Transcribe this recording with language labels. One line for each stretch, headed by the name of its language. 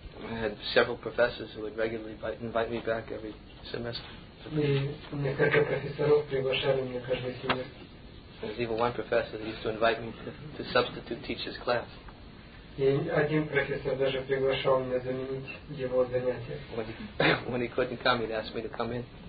English: I had several professors who would regularly invite me back every semester.
Russian: Несколько профессоров приглашали меня каждый семестр.
English: There's even one professor that used to invite me to substitute teach his class. When he couldn't come, he'd ask me to come in.